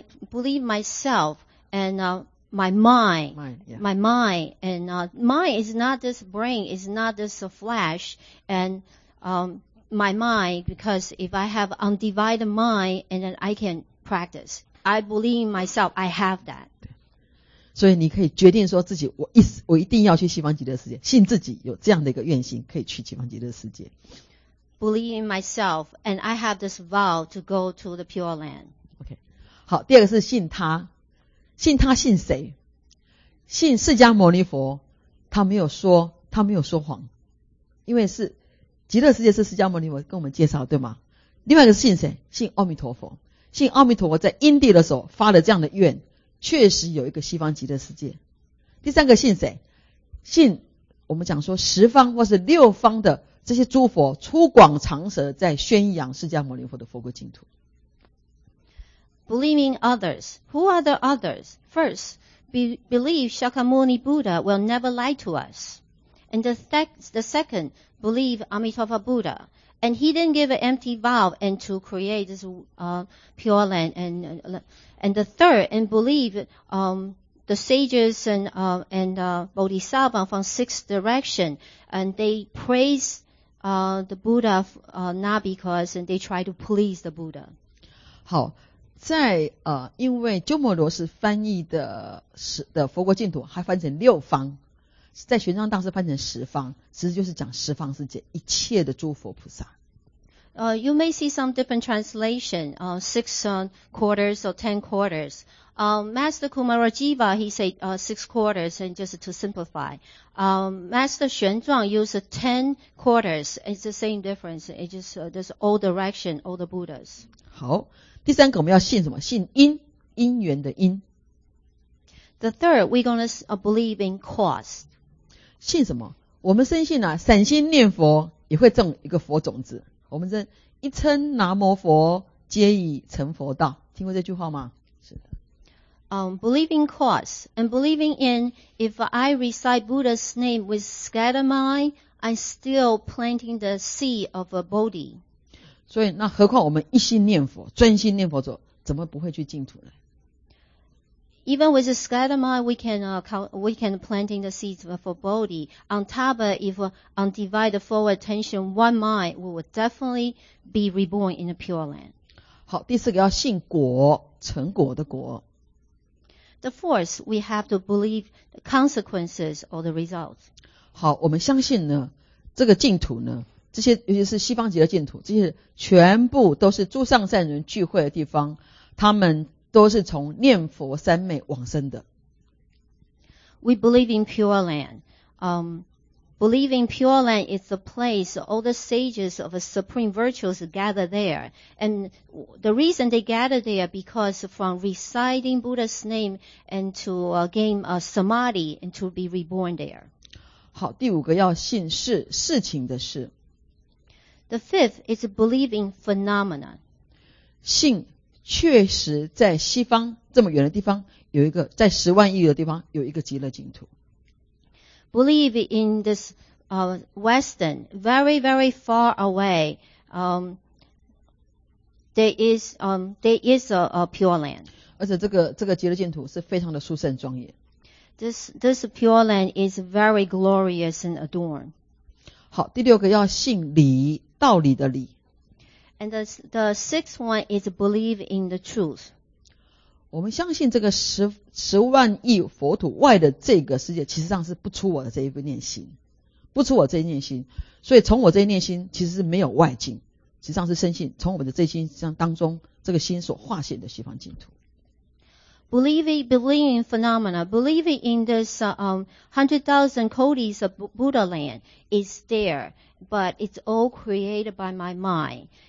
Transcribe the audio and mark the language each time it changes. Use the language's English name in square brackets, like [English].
[English] Believe myself My mind is not this brain, it's not this flesh, and my mind, because if I have undivided mind, and then I can practice. I believe in myself, I have that. [Chinese] 所以你可以决定说自己我一定要去西方极乐世界，信自己有这样的一个愿心，可以去西方极乐世界。 [English] Believe in myself, and I have this vow to go to the pure land. [Chinese] Okay. 好，第二个是信他。信他信谁？信释迦牟尼佛，他没有说谎，因为是极乐世界是释迦牟尼佛跟我们介绍，对吗？另外一个是信谁？信阿弥陀佛，信阿弥陀佛在因地的时候发了这样的愿，确实有一个西方极乐世界。第三个信谁？信我们讲说十方或是六方的这些诸佛出广长舌在宣扬释迦牟尼佛的佛国净土。 [English] Believing others. Who are the others? First, believe Shakyamuni Buddha will never lie to us. And the second, believe Amitabha Buddha. And he didn't give an empty vow and to create this pure land. And the third, and believe the sages and Bodhisattva from six direction, and they praise the Buddha not because they try to please the Buddha. [Chinese] 好，在因为鸠摩罗什翻译的佛国净土，还翻成六方。在玄奘大师翻成十方，其实就是讲十方是指一切的诸佛菩萨。 [English] You may see some different translation, six quarters or ten quarters. Master Kumarajiva, he said six quarters, and just to simplify. Master 玄奘 used ten quarters. It's the same difference. It's just there's all direction, all the Buddhas. [Chinese] 好，第三个我们要信什么？信因，因缘的因。 [English] The third, we're going to believe in cause. [Chinese] 信什么？我们深信啊，散心念佛也会种一个佛种子。我们称一称南无佛，皆已成佛道。听过这句话吗？是的。 [English] Believing cause and believing in, if I recite Buddha's name with scattered mind, I'm still planting the seed of a Bodhi. [Chinese] 所以，那何况我们一心念佛，专心念佛者，怎么不会去净土呢？ [English] Even with a scattered mind, we can plant the seeds for Bodhi. On top of if undivided full attention, one mind, we will definitely be reborn in a pure land. [Chinese] 好，第四个要信果，成果的果。 [English] The fourth, we have to believe the consequences or the results. [Chinese] 好，我们相信呢，这个净土呢，这些尤其是西方极乐净土，这些全部都是诸上善人聚会的地方，他们。都是从念佛三昧往生的。 [English] We believe in pure land. Believing pure land is the place all the sages of the supreme virtues gather there. And the reason they gather there because from reciting Buddha's name and to gain a samadhi and to be reborn there. [Chinese] 好，第五个要信事，事情的事。 [English] The fifth is believing phenomena. [Chinese] 信。确实在西方这么远的地方有一个在十万亿的地方有一个极乐净土。 [English] Believe in this western, very, very far away, there is a pure land. [Chinese] 而且这个极乐净土是非常的殊胜庄严。 [English] This pure land is very glorious and adorned. [Chinese] 好，第六个要信理，道理的理。 [English] And the sixth one is believe in the truth. [Chinese] 我们相信这个十万亿佛土外的这个世界，其实上是不出我的这一个念心，不出我这一念心。所以从我这一念心，其实是没有外境，实际上是深信从我们的这心像当中这个心所化现的西方净土。 [English] Believing phenomena, believing in this 100,000 kodis of Buddha land is there, but it's all created by my mind.